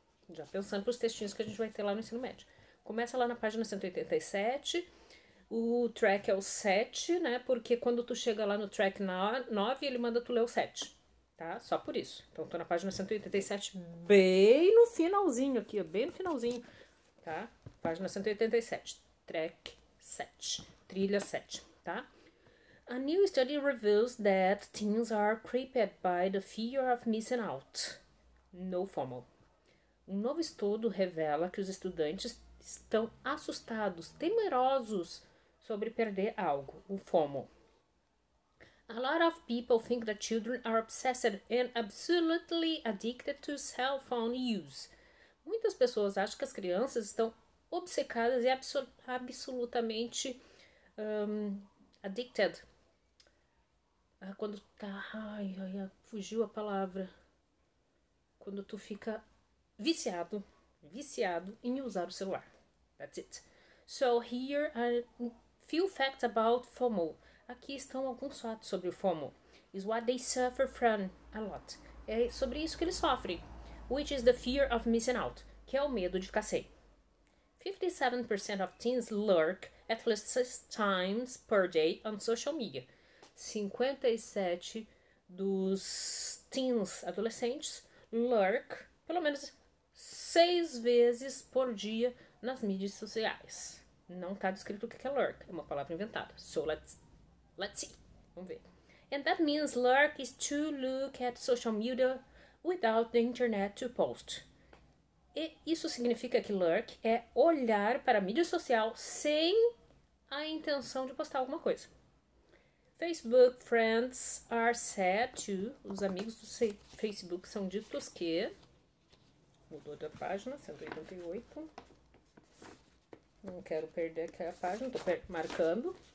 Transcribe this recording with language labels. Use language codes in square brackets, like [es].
[pt] Já pensando para os textinhos que a gente vai ter lá no ensino médio. Começa lá na página 187, o track é o 7, né? Porque quando tu chega lá no track 9, ele manda tu ler o 7, tá? Só por isso. Então, tô na página 187, bem no finalzinho aqui, bem no finalzinho, tá? Página 187. Track 7, trilha 7, tá? [en] A new study reveals that teens are creeped by the fear of missing out. No FOMO. [pt] Um novo estudo revela que os estudantes estão assustados, temerosos sobre perder algo, o FOMO. [en] A lot of people think that children are obsessed and absolutely addicted to cell phone use. [pt] Muitas pessoas acham que as crianças estão obcecadas e absolutamente addicted. Ah, quando tá. Ai, ai, fugiu a palavra. Quando tu fica viciado, viciado em usar o celular. [en] That's it. So here are a few facts about FOMO. [pt] Aqui estão alguns fatos sobre o FOMO. [en] It's what they suffer from a lot. [pt] É sobre isso que eles sofrem. [en] Which is the fear of missing out, [pt] que é o medo de ficar sem. [en] 57% of teens lurk at least 6 times per day on social media. [pt] 57% dos teens, adolescentes, lurk pelo menos 6 vezes por dia nas mídias sociais. Não está descrito o que é lurk, é uma palavra inventada. [en] So let's see. [pt] Vamos ver. [en] And that means lurk is to look at social media without the internet to post. [pt] E isso significa que lurk é olhar para a mídia social sem a intenção de postar alguma coisa. [en] Facebook friends are said to. [pt] Os amigos do Facebook são ditos que. Mudou da página, 188. Não quero perder aqui a página, tô marcando.